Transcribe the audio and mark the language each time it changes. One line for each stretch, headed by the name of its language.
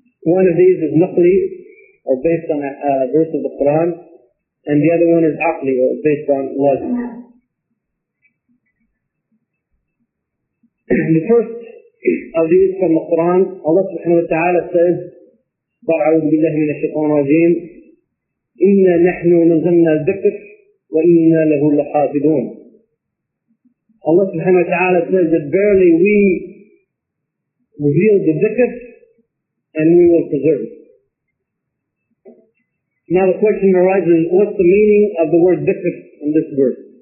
English: One of these is naqli, or based on a verse of the Quran, and the other one is aqli, or based on logic. The first of these from the Quran, Allah subhanahu wa ta'ala says,
Arabic: فأعوذ بالله من الشيطان الرجيم. إنا نحن نزلنا الذكر وإنا له لحافظون.
English: Allah subhanahu wa ta'ala says that verily we revealed the dhikr and we will preserve it. Now the question arises, what's the meaning of the word dhikr in this verse?